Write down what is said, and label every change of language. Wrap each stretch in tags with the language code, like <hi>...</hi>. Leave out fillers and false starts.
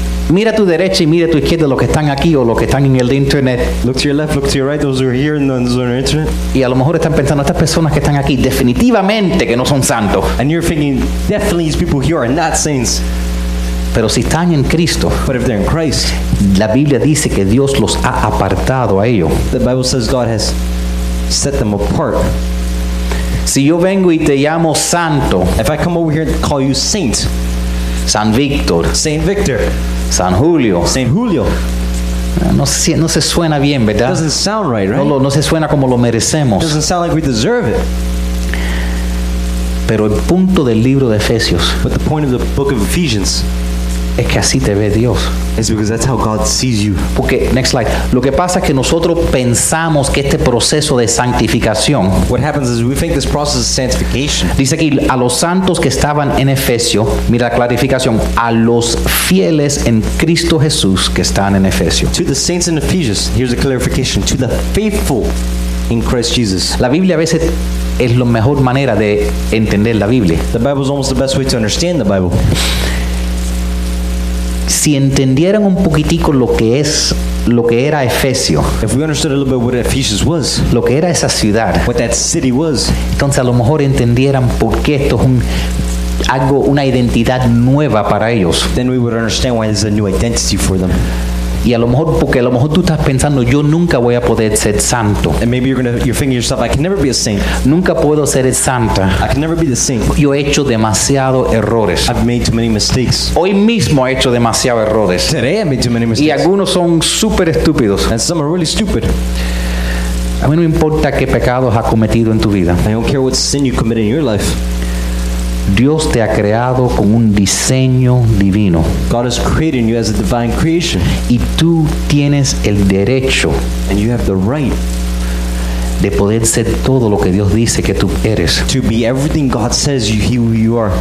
<es>Mira tu derecha y mira tu izquierda, los que están aquí o los que están en el internet.</es> <en>Look to your left, look to your right, those who are here and those who are on the internet.</en> <es>Y a lo mejor están pensando, estas personas que están aquí definitivamente que no son santos.</es> <en>And you're thinking, definitely these people here are not saints.</en> <es>Pero si están en Cristo,</es> <en>but if they're in Christ,</en> <es>la Biblia dice que Dios los ha apartado a ellos.</es> <en>The Bible says God has set them apart.</en> <es>Si yo vengo y te llamo santo,</es> <en>if I come over here and call you saint,</en> <es>San Víctor.</es> <en>Saint Victor.</en> <es>San Julio.</es> <en>Saint Julio.</en> <es>No se suena bien, ¿verdad?</es> <en>It doesn't sound right, right?</en> <es>No se suena como lo merecemos.</es> <en>It doesn't sound like we deserve it.</en> <es>Pero el punto del libro de Efesios.</es> <en>But the point of the book of Ephesians.</en> <es>Es que así te ve Dios.</es> <en>It's because that's how God sees you.</en> <es>Porque,</es> <en>next slide.</en> <es>Lo que pasa es que nosotros pensamos que este proceso de santificación.</es> <en>What happens is we think this process is sanctification.</en> <es>Dice aquí, a los santos que estaban en Efesio. Mira la clarificación. A los fieles en Cristo Jesús que están en Efesio.</es> <en>To the saints in Ephesus. Here's a clarification. To the faithful in Christ Jesus.</en> <es>La Biblia a veces es la mejor manera de entender la Biblia.</es> <en>The Bible is almost the best way to understand the Bible.</en> <es>Si entendieran un poquitico lo que era Efesio.</es> <en>If we understood a little bit what Ephesus was.</en> <es>Lo que era esa ciudad.</es> <en>What that city was.</en> <es>Entonces a lo mejor entendieran por qué esto es una identidad nueva para ellos.</es> <en>Then we would understand why this is a new identity for them.</en> <es>Y a lo mejor, porque a lo mejor tú estás pensando, yo nunca voy a poder ser santo.</es> <en>And maybe you're thinking yourself, I can never be a saint.</en> <es>Nunca puedo ser el santa.</es> <en>I can never be the saint.</en> <es>Yo he hecho demasiado errores.</es> <en>I've made too many mistakes.</en> <es>Hoy mismo he hecho demasiado errores.</es> <en>Today I made too many mistakes.</en> <es>Y algunos son súper estúpidos.</es> <en>And some are really stupid.</en> <es>A mí no importa qué pecados has cometido en tu vida.</es> <en>I don't care what sin you committed in your life.</en> <es>Dios te ha creado con un diseño divino.</es> <en>God has created you as a divine creation.</en> <es>Y tú tienes el derecho.</es> <en>And you have the right.</en> <es>De poder ser todo lo que Dios dice que tú eres.</es> <en>To be everything God says you, who you are.</en>